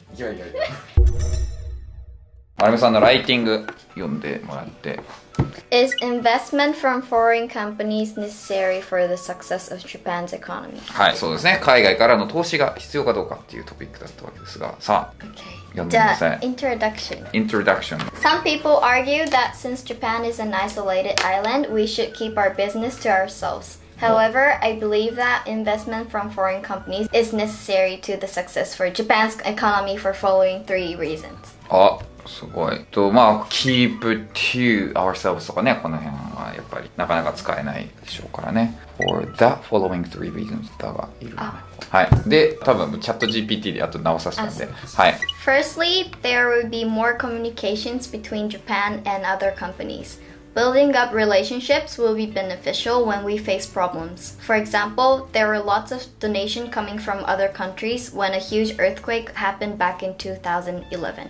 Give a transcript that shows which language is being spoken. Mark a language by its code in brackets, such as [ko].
[ja] いやマリモさんのライティング読んでもらって。 [en] Is investment from foreign companies necessary for the success of Japan's economy? [ja] はい、そうですね。海外からの投資が必要かどうかっていうトピックだったわけですが、さあ、 [en] okay. Introduction. Some people argue that since Japan is an isolated island, we should keep our business to ourselves. However, I believe that investment from foreign companies is necessary to the success for Japan's economy for following three reasons. [ja] あ、すごい。まあ、 [en] keep to ourselves [ja] とかね、この辺はやっぱりなかなか使えないでしょうからね。 [en] For the following three reasons [ja] だがいる。はい、で多分チャット GPT であと直させたんで、はい。 [en] Firstly, there will be more communications between Japan and other companies. Building up relationships will be beneficial when we face problems. For example, there were lots of donation coming from other countries when a huge earthquake happened back in 2011.